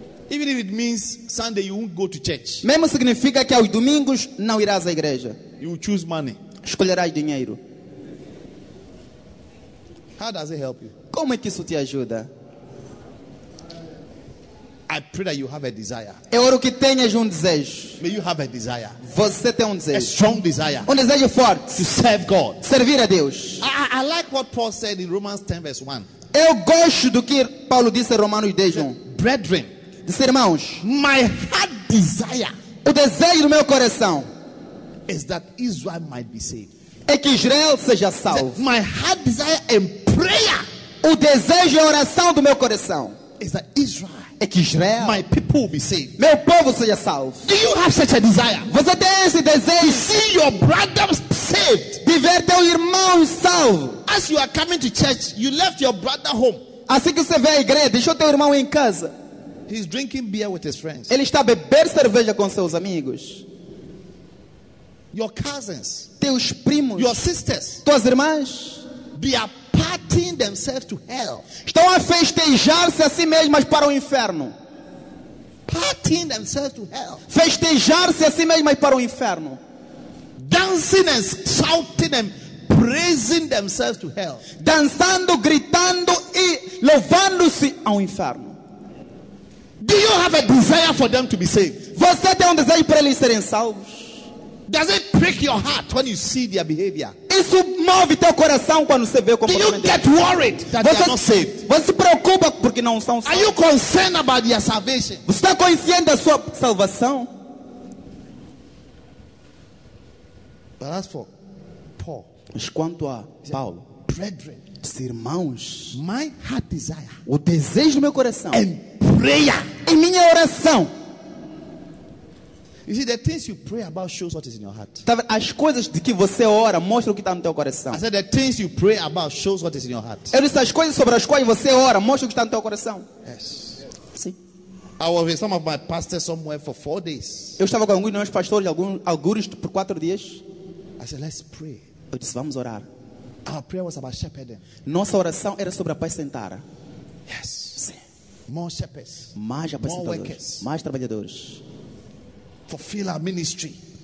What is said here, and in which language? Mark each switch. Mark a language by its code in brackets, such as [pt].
[en] Even if it means Sunday you won't go to church. [pt] Mesmo significa que aos domingos não irás à igreja. [en] You will choose money. [pt] Escolherás dinheiro. [en] How does it help you? [pt] Como é que isso te ajuda? [en] I pray that you have a desire. [pt] Eu oro que tenhas desejo. [en] May you have a desire. [pt] Você tem desejo. [en] A strong desire. [pt] Desejo forte. [en] To serve God. [pt] Servir a Deus. [en] I like what Paul said in Romans 10 verse 1. [pt] Eu gosto do que Paulo disse em Romanos 10 1. [en] Brethren. [pt] Disse, irmãos, [en] my heart desire. [pt] O desejo do meu coração. [en] Is that Israel might be saved. [pt] É que Israel seja salvo. [en] My heart desire and prayer. [pt] O desejo e a oração do meu coração. [en] Is that Israel. [pt] É que Israel, [en] my people will be saved. [pt] Meu povo seja salvo. [en] Do you have such a desire? [pt] Você tem esse desejo? [en] To see your brothers saved. [pt] De ver teu irmão salvo. [en] As you are coming to church, you left your brother home. [pt] Assim que você vem à igreja, deixou teu irmão em casa. [en] He's drinking beer with his friends. [pt] Ele está bebendo cerveja com seus amigos. [en] Your cousins, [pt] teus primos, [en] your sisters, [pt] tuas irmãs, [en] they are partying themselves to hell. [pt] Estão a festejar-se a si mesmas para o inferno. [en] Partying themselves to hell. [pt] Festejar-se a si mesmas para o inferno. [en] Dancing and shouting and praising themselves to hell. [pt] Dançando, gritando e louvando-se ao inferno. [en] Do you have a desire for them to be saved? [pt] Você tem desejo para eles serem salvos? [en] Does it prick your heart when you see their behavior? [pt] Isso move teu coração quando você vê o comportamento? [en] Do you get worried that they are not saved? [pt] Você se preocupa porque não são salvos? [en] Are you concerned about your salvation? [pt] Você está consciente da sua salvação? [en] But as for Paul, [pt] mas quanto a Paulo, [en] brethren, [pt] irmãos, [en] my heart desire, [pt] o desejo do meu coração, [en] and prayer, [pt] e minha oração. [en] You see, the things you pray about shows what is in your heart. [pt] As coisas de que você ora mostram o que está no teu coração. [en] I said the things you pray about shows what is in your heart. [pt] Eu disse, as coisas sobre as quais você ora mostram o que está no teu coração. [en] Yes. [pt] Sim. [en] I was with some of my pastors somewhere for 4 days. [pt] Eu estava com alguns dos meus pastores alguns por 4 dias. [en] I said let's pray. [pt] Eu disse vamos orar. [en] Our prayer was about shepherding. [pt] Nossa oração era sobre apacentar. [en] Yes. [pt] Sim. [en] More shepherds. [pt] Mais apacentadores. [en] More workers. [pt] Mais trabalhadores. [en] Fulfill our ministry.